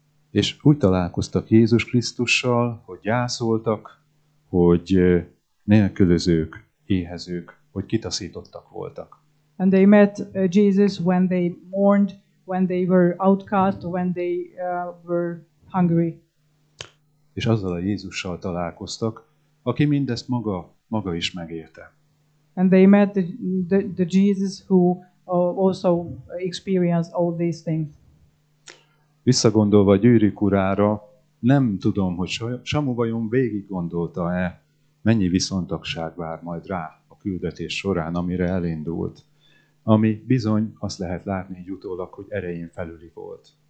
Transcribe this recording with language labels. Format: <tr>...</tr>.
<hu>És úgy találkoztak Jézus Krisztussal, hogy gyászoltak, hogy nélkülözők, éhezők, hogy kitaszítottak voltak.</hu> <en>And they met Jesus when they mourned, when they were outcast, when they were hungry.</en> <hu>És azzal a Jézussal találkoztak, aki mindezt maga is megérte.</hu> <en>And they met the Jesus who also experienced all these things.</en> <hu>Visszagondolva Gyűrűk urára, nem tudom, hogy Samu vajon végig gondolta-e, mennyi viszontagság vár majd rá a küldetés során, amire elindult. Ami bizony azt lehet látni egy utólag, hogy erején felüli volt.</hu>